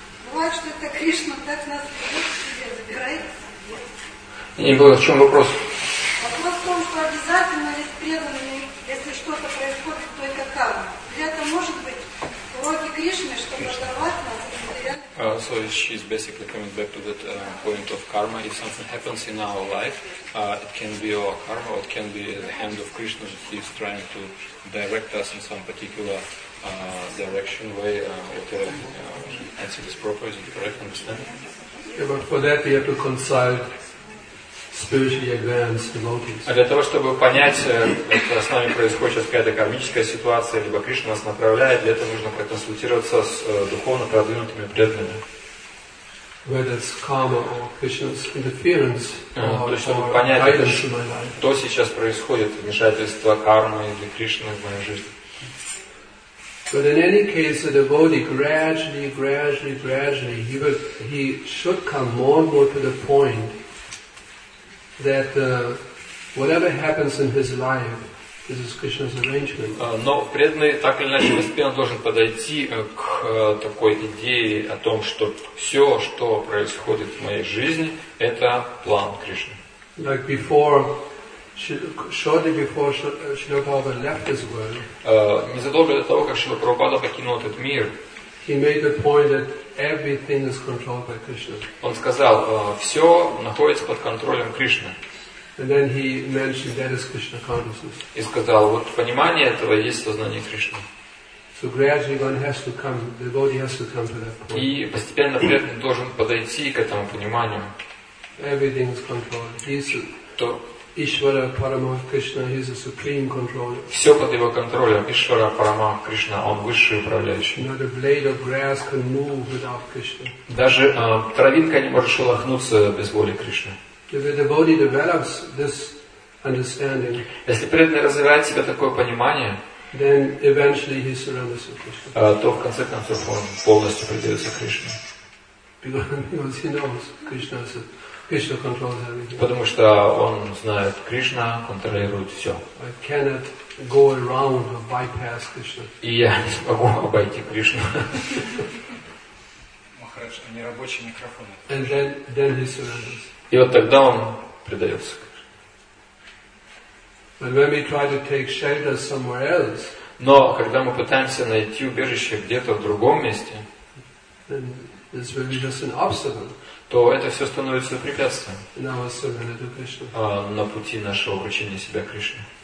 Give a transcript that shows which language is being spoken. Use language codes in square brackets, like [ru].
[ru] Бывает, что это Кришна так нас ведет к себе, забирает к себе. Не было, в чем вопрос? Вопрос в том, что обязательно ли с преданными, если что-то происходит, то это карма. Или это может быть уроки Кришны, чтобы оторвать нас? [en] So she's basically coming back to that point of karma. If something happens in our life, it can be our karma, or it can be the hand of Krishna. He's trying to direct us in some particular direction, way, whatever. Answer this properly, is it correct? Understand? Yeah, but for that we have to consult spiritually advanced devotees. [ru] А для того, чтобы понять, что с нами происходит какая-то кармическая ситуация, либо Кришна нас направляет, для этого нужно проконсультироваться с духовно продвинутыми преданными. [en] Whether it's karma or Krishna's interference. [ru] То есть, чтобы понять, что сейчас происходит, вмешательство кармы или Кришны в моей жизни. [en] But in any case, the devotee gradually, he should come more and more to the point that whatever happens in his life, this is Krishna's arrangement. [ru] Но преданный так или иначе постепенно должен подойти к такой идее о том, что все, что происходит в моей жизни, это план Кришны. [en] Like before, shortly before Śrīla Prabhupāda left this world. [ru] Незадолго до того, как Śrīla Prabhupāda покинул этот мир. [en] He made the point that everything is controlled by Krishna. [ru] Он сказал, все находится под контролем Кришны. [en] And then he mentioned that is Krishna consciousness. [ru] И сказал, вот понимание этого есть сознание Кришны. [en] So gradually one has to come, the devotee has to come to that point. [ru] И постепенно преданный должен подойти к этому пониманию. [en] Everything is controlled. He's [sa] Ishvara Paramah Krishna. [en] He's a supreme controller. [ru] Все под его контролем. [sa] Ishvara Paramah Krishna. [ru] Он высший управляющий. [en] Not a blade of grass can move without Krishna. [ru] Даже травинка не может шелохнуться без воли Кришны. [en] If a devotee develops this understanding, [ru] если преданный развивает в себе такое понимание, [en] then eventually he surrenders to Krishna. [ru] То в конце концов он полностью предается Кришне. [en] Because he knows Krishna is a Krishna controls everything. [ru] Потому что он знает, Кришна контролирует все. [en] I cannot go around or bypass Krishna. [ru] И я не смогу обойти Кришну. Махарадж, это нерабочий микрофон. [en] And then he surrenders. [ru] И вот тогда он предается Кришне. [en] But when we try to take shelter somewhere else. [ru] Но когда мы пытаемся найти убежище где-то в другом месте, то это все становится препятствием на пути нашего обращения себя к Кришне.